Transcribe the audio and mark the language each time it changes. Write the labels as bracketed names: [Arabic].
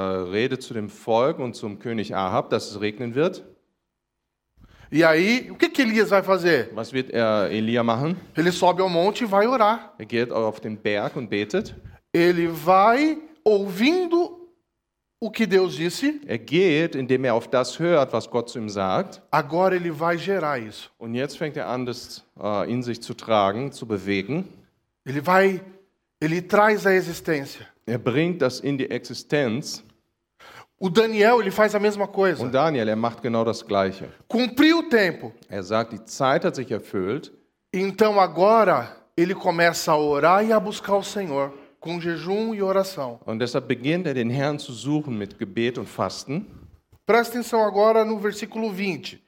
[German] rede zu dem Volk und zum König Ahab, dass es regnen wird. [Portuguese] E aí, o que que Elias vai fazer? [German] Was wird Elia machen? [Portuguese] Ele sobe ao monte e vai orar. [German] Er geht auf den Berg und betet. [Portuguese] Ele vai ouvindo o que Deus disse. [German] Er geht, indem auf das hört, was Gott zu ihm sagt. [Portuguese] Agora ele vai gerar isso. [German] Und jetzt fängt an, das in sich zu tragen, zu bewegen. [Portuguese] Ele traz a existência. [German] Er bringt das in die Existenz. [Portuguese] O Daniel, ele faz a mesma coisa. [German] Und Daniel, macht genau das Gleiche. [Portuguese] Cumpriu o tempo. [German] Sagt, die Zeit hat sich erfüllt. [Portuguese] Então agora ele começa a orar e a buscar o Senhor com jejum e oração. [German] Und deshalb beginnt den Herrn zu suchen mit Gebet und Fasten. [Portuguese] Presta atenção agora no versículo 20.